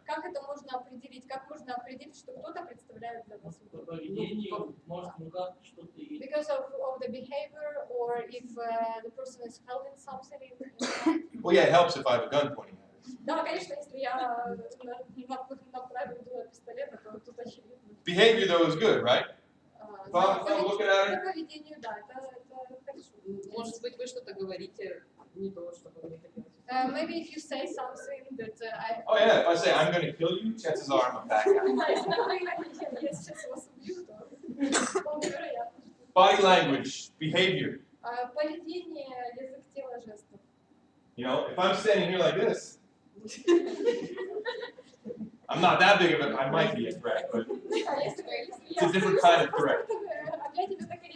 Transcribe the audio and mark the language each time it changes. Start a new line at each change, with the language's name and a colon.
Russian: Как это можно определить? Как можно определить, что кто-то представляет для вас угрозу? По поведению, может, указать что-то.
English: Because of the behavior, or if the person is holding something. Well, yeah, it helps if I have a gun pointing at. Behavior though is good, right? I'm looking at it.
Russian: Может быть, вы что-то говорите не то, что вы
English: Maybe if you say something that I. Oh yeah, if I say I'm going to kill you, chances are I'm a bad guy. Body language, behavior.
Russian: Поведение, язык тела, жестов.
English: You know, if I'm standing here like this. I'm not that big of a I might be a threat, but it's a different kind of threat.